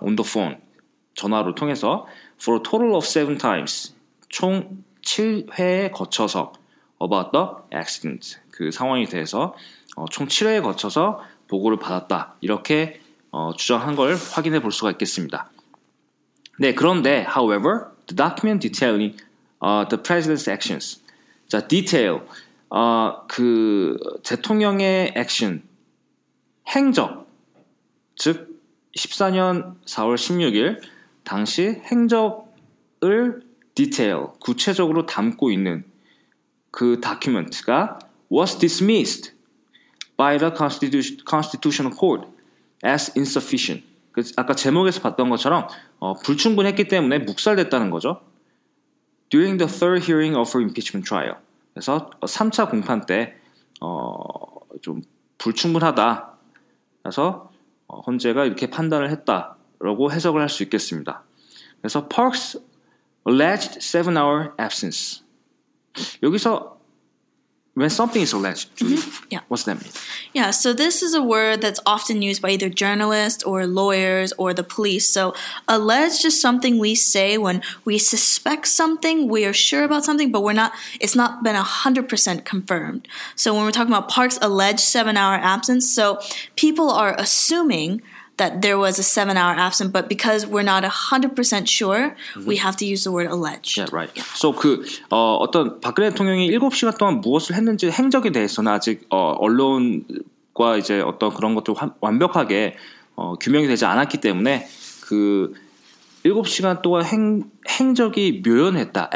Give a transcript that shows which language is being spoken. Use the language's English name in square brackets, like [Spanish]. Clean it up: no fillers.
[English] On the phone, [Korean] 전화로 통해서 [English] for a total of 7 times, [Korean] 총 7회에 거쳐서 [English] about the accident, [Korean] 그 상황에 대해서 총 7회에 거쳐서 보고를 받았다. 이렇게 주장한 걸 확인해 볼 수가 있겠습니다. 네, 그런데 [English] however, the document detailing the president's actions. [Korean] 자, detail. 그 대통령의 액션, 행적, 즉 14년 4월 16일 당시 행적을 디테일, 구체적으로 담고 있는 그 다큐멘트가 [English] was dismissed by the Constitutional Court as insufficient. [Korean] 그 아까 제목에서 봤던 것처럼 불충분했기 때문에 묵살됐다는 거죠. [English] During the third hearing of her impeachment trial. [Korean] 그래서 3차 공판 때 좀 불충분하다. 그래서 헌재가 이렇게 판단을 했다라고 해석을 할 수 있겠습니다. [English] 그래서 Parks alleged 7-hour absence. 여기서 when something is alleged, mm-hmm. yeah. what's that mean? Yeah, so this is a word that's often used by either journalists or lawyers or the police. So alleged is something we say when we suspect something, we are sure about something, but it's not been 100% confirmed. So when we're talking about Park's alleged 7-hour absence, so people are assuming that there was a 7-hour absence, but because we're not 100% sure, mm-hmm. we have to use the word alleged. Yeah, right. Yeah. [Korean] So 그 어떤 박근혜 대통령이 7시간 동안 무엇을 했는지 행적에 대해서는 아직 언론과 이제 어떤 그런 것들 완벽하게 규명이 되지 않았기 때문에 그 7시간 동안 행적이 묘연했다.